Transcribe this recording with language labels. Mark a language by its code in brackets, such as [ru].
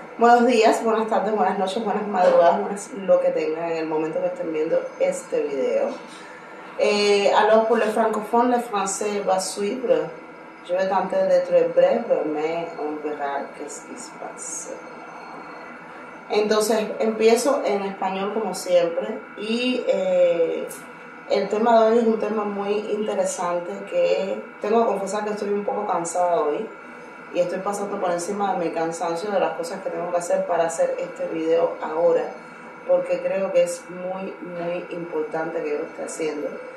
[es] Buenos días, buenas tardes, buenas noches, buenas madrugadas, buenas lo que tengan en el momento que estén viendo este video. [fr] Aló por le francophone, le français va suivre. Je vais tenter d'être bref, mais on verra [es] qué se pasa. Entonces, empiezo en español como siempre. Y el tema de hoy es un tema muy interesante que tengo que confesar que estoy un poco cansada hoy. Y estoy pasando por encima de mi cansancio de las cosas que tengo que hacer para hacer este video ahora, porque creo que es muy, muy importante que yo lo esté haciendo.